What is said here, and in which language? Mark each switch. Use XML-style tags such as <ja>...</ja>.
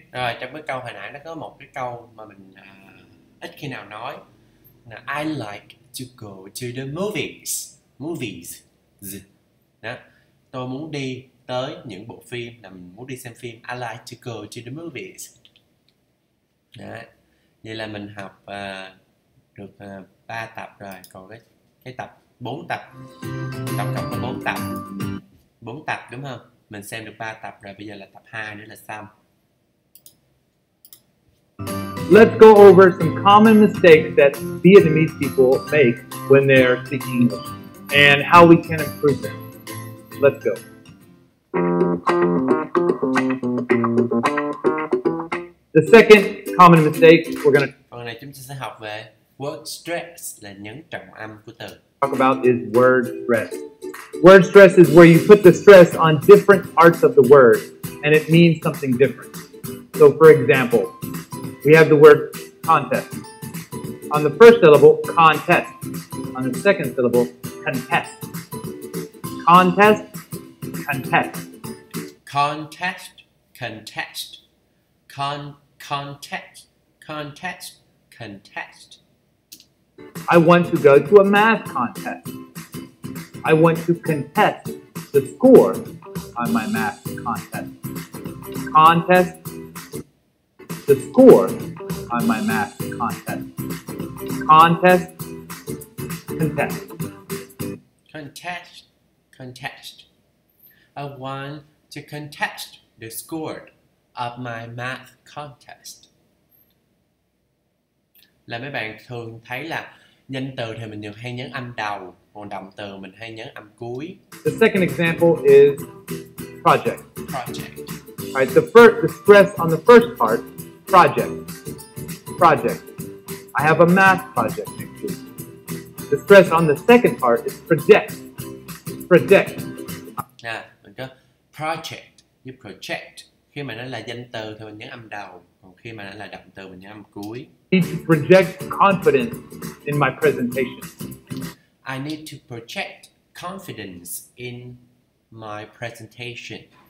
<vi>Rồi, trong cái câu hồi nãy nó có một cái câu mà mình ít khi nào nói.</vi> <en>Nào, I like to go to the movies. Movies. Đó.</en> <vi>Tôi muốn đi tới những bộ phim, là mình muốn đi xem phim.</vi> <en>I like to go to the movies. Đó.</en> <vi>Vậy là mình học được 3 tập rồi. Còn cái tập 4 tập. Tổng cộng là 4 tập. 4 tập đúng không? Mình xem được 3 tập rồi. Bây giờ là tập 2 nữa là xong.</vi> <en>Let's go over some common mistakes that Vietnamese people make when they're speaking English and how we can improve them. Let's go. The second common mistake we're going to...</en> <vi>Hôm nay chúng ta sẽ học về word stress, là nhấn trọng âm của từ.</vi> <en>Talk about is word stress. Word stress is where you put the stress on different parts of the word, and it means something different. So, for example, we have the word contest. On the first syllable, contest. On the second syllable, contest. Contest, contest. Contest, contest. Contest, contest, contest. I want to go to a math contest. I want to contest the score on my math contest. Contest the score on my math contest. Contest, contest. Contest, contest. I want to contest the score of my math contest.</en> <vi>Là mấy bạn thường thấy là danh từ thì mình thường hay nhấn âm đầu, còn động từ mình hay nhấn âm cuối.</vi> <en>The second example is project. Project. Right, the stress on the first part, project. Project. I have a math project next week. The stress on the second part is project. Project.</en> <vi>Yeah, mình có project, như project. Khi mà nó là danh từ thì mình nhấn âm đầu, còn khi mà nó là động từ mình nhấn âm cuối.</vi> <en>I need to project confidence in my presentation. I need to project confidence in my presentation.</en>